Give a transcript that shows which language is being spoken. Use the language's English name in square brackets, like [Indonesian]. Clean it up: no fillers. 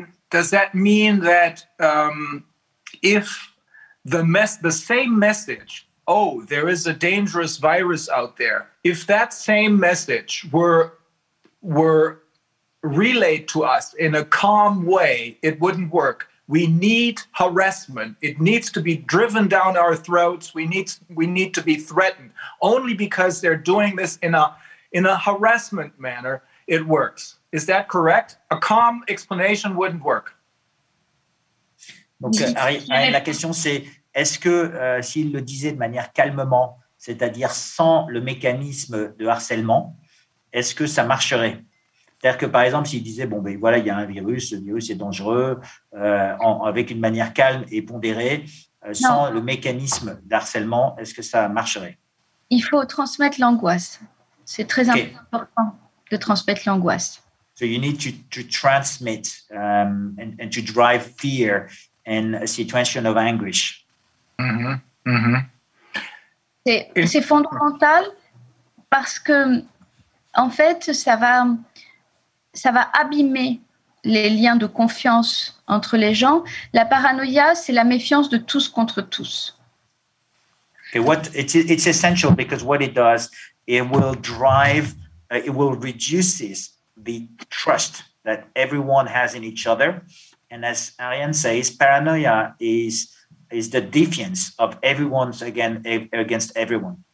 [English] Does that mean that if the same message, oh, there is a dangerous virus out there, if that same message were relayed to us in a calm way, it wouldn't work. We need harassment. It needs to be driven down our throats. We need to be threatened. Only because they're doing this in a harassment manner, it works. Is that correct? A calm explanation wouldn't work. [French] Donc, la question c'est, est-ce que s'il le disait de manière calmement, c'est-à-dire sans le mécanisme de harcèlement, est-ce que ça marcherait? C'est-à-dire que, par exemple, s'il disait, bon, ben voilà, il y a un virus, le virus est dangereux, avec une manière calme et pondérée, sans le mécanisme d'harcèlement, est-ce que ça marcherait? Il faut transmettre l'angoisse. C'est très important de transmettre l'angoisse. [English] So you need to transmit and to drive fear in a situation of anguish. [French] C'est fondamental parce que, en fait, ça va abîmer les liens de confiance entre les gens. La paranoïa, c'est la méfiance de tous contre tous. [English] Okay, what it's essential because what it does, it will drive, it will reduces the trust that everyone has in each other. And as Ariane says, paranoia is the defiance of everyone's against everyone.